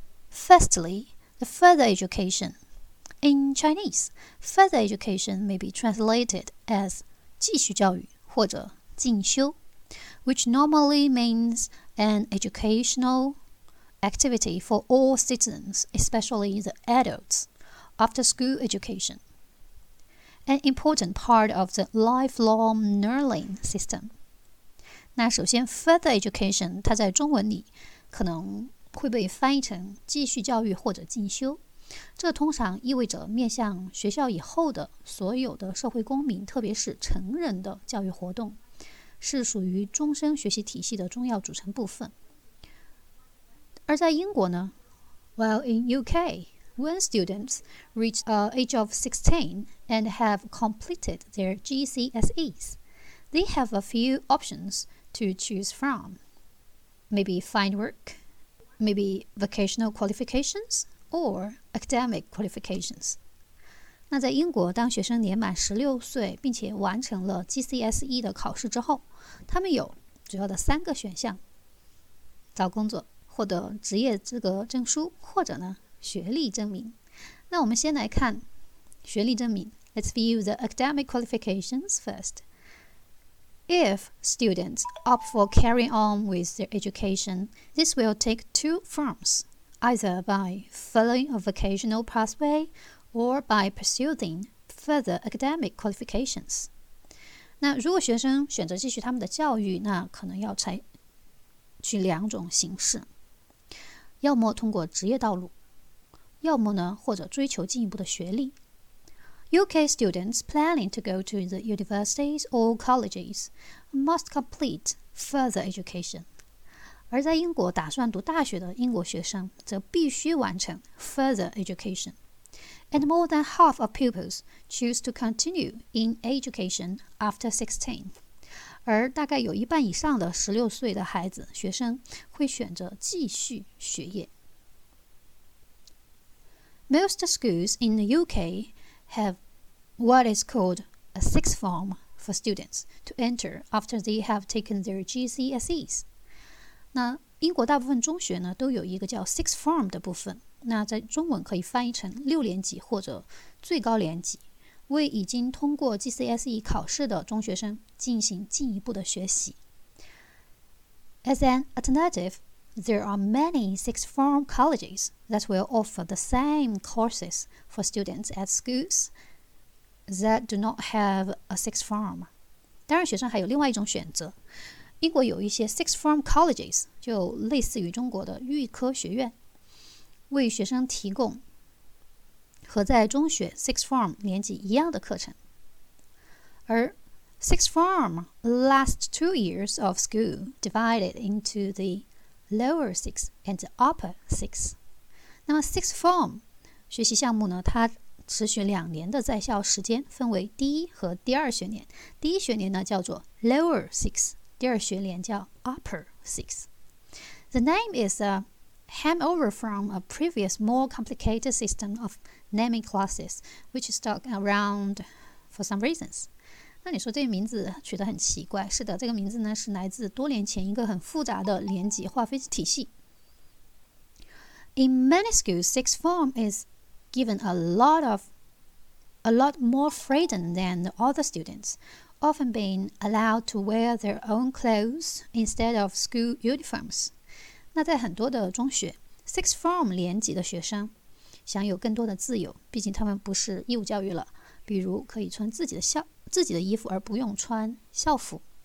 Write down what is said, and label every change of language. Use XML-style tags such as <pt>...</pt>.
<en>Firstly,The further education. In Chinese, further education may be translated as</en> <zh>继续教育或者进修</zh> <en>which normally means an educational activity for all citizens, especially the adults, after school education. An important part of the lifelong learning system.</en> <zh>那首先 further education 它在中文里可能会被翻译成继续教育或者进修，这通常意味着面向学校以后的所有的社会公民，特别是成人的教育活动，是属于终身学习体系的重要组成部分。而在英国呢</zh> <en>，While in UK, when students reach a age of 16 and have completed their GCSEs, they have a few options to choose from, maybe find work. Maybe vocational qualifications or academic qualifications.</en> <zh>那在英国，当学生年满16岁并且完成了 GCSE 的考试之后，他们有主要的三个选项：找工作、获得职业资格证书，或者呢学历证明。那我们先来看学历证明。</zh> <en>Let's view the academic qualifications first. If students opt for carrying on with their education, this will take two forms, either by following a vocational pathway or by pursuing further academic qualifications.</en> <zh>那如果学生选择继续他们的教育，那可能要采取两种形式，要么通过职业道路，要么呢，或者追求进一步的学历。</zh> <en>UK students planning to go to the universities or colleges must complete further education.</en> <zh>而在英国打算读大学的英国学生则必须完成 further education.</zh> <en>And more than half of pupils choose to continue in education after 16.</en> <zh>而大概有一半以上的16岁的孩子学生会选择继续学业。</zh> <en>Most schools in the UK have what is called a sixth form for students to enter after they have taken their GCSEs.</en> <zh>那英国大部分中学呢都有一个叫 sixth form 的部分，那在中文可以翻译成六年级或者最高年级，为已经通过 GCSE 考试的中学生进行进一步的学习。</zh> <en>As an alternative, there are many sixth form colleges that will offer the same courses for students at schoolsthat do not have a sixth form.</en> <zh>当然学生还有另外一种选择。英国有一些 sixth form colleges, 就类似于中国的预科学院，为学生提供和在中学 sixth form 年级一样的课程。而</zh> <en>Sixth form, last 2 years of school, divided into the lower six and the upper six.</en> <zh>那么 sixth form 学习项目呢，它持续两年的在校时间，分为第一和第二学年。第一学年呢叫做 lower six， 第二学年叫 upper six。</zh> <en>The name is a hangover from a previous more complicated system of naming classes, which stuck around for some reasons.</en> <zh>那你说这个名字取得很奇怪，是的，这个名字呢是来自多年前一个很复杂的年级划分体系。</zh> <en>In many schools, sixth form is given a lot more freedom than the other students, often being allowed to wear their own clothes instead of school uniforms.</en> <zh>那在很多的中学，sixth form 年级的学生享有更多的自由，毕竟他们不是义务教育了，比如可以穿自己的衣服而不用穿校服。</zh>